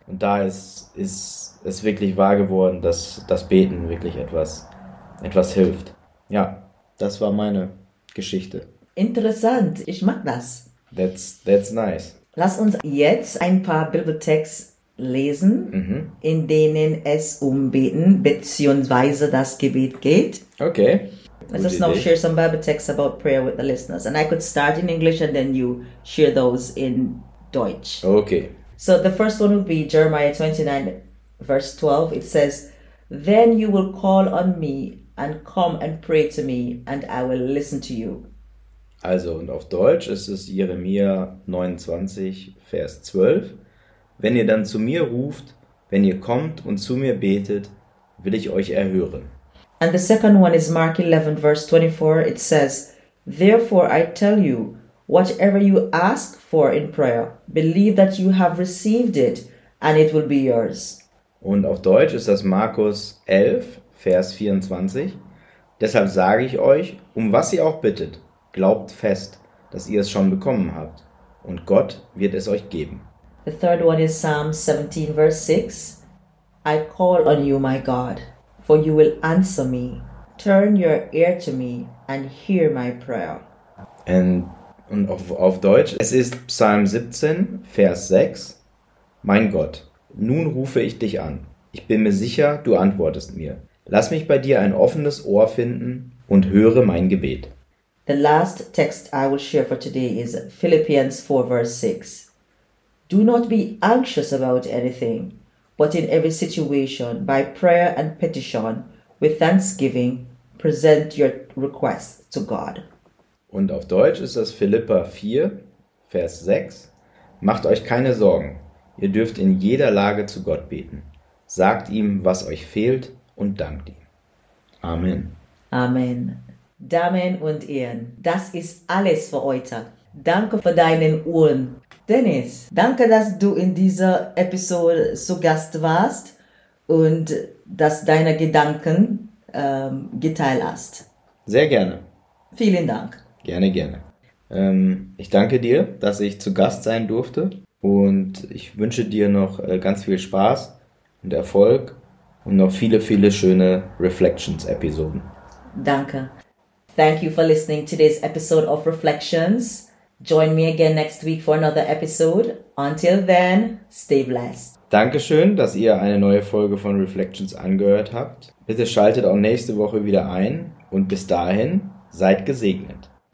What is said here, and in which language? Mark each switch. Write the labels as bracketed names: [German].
[German] Und da ist es wirklich wahr geworden, dass das Beten wirklich etwas hilft. Ja, das war meine Geschichte. Interessant, ich mag das. [English] That's nice. [German] Lass uns jetzt ein paar Bibeltexte lesen, in denen es um Beten bzw. das Gebet geht. [English] Okay. Let's just now share some Bible texts about prayer with the listeners. And I could start in English and then you share those in Deutsch. Okay. So the first one would be Jeremiah 29, verse 12. It says, "Then you will call on me and come and pray to me and I will listen to you." [German] Also, und auf Deutsch ist es Jeremia 29, Vers 12. "Wenn ihr dann zu mir ruft, wenn ihr kommt und zu mir betet, will ich euch erhören." [English] And the second one is Mark 11, verse 24. It says, "Therefore I tell you, whatever you ask for in prayer, believe that you have received it, and it will be yours." [German] Und auf Deutsch ist das Markus 11, Vers 24. "Deshalb sage ich euch, um was ihr auch bittet, glaubt fest, dass ihr es schon bekommen habt, und Gott wird es euch geben." [English] The third one is Psalm 17, verse 6. "I call on you, my God, for you will answer me. Turn your ear to me and hear my prayer." [German] Und auf Deutsch, es ist Psalm 17, Vers 6. "Mein Gott, nun rufe ich dich an. Ich bin mir sicher, du antwortest mir. Lass mich bei dir ein offenes Ohr finden und höre mein Gebet." [English] The last text I will share for today is Philippians 4, verse 6. "Do not be anxious about anything, but in every situation, by prayer and petition, with thanksgiving, present your requests to God." [German] Und auf Deutsch ist das Philippa 4, Vers 6. "Macht euch keine Sorgen. Ihr dürft in jeder Lage zu Gott beten. Sagt ihm, was euch fehlt, und dankt ihm." Amen. Amen. Damen und Herren, das ist alles für heute. Danke für deinen Ohren. Dennis, danke, dass du in dieser Episode zu Gast warst und dass deine Gedanken geteilt hast. Sehr gerne. Vielen Dank. Gerne, gerne. Ich danke dir, dass ich zu Gast sein durfte und ich wünsche dir noch ganz viel Spaß und Erfolg und noch viele, viele schöne Reflections-Episoden. Danke. [English] Thank you for listening to this episode of Reflections. Join me again next week for another episode. Until then, stay blessed. [German] Dankeschön, dass ihr eine neue Folge von Reflections angehört habt. Bitte schaltet auch nächste Woche wieder ein und bis dahin, seid gesegnet.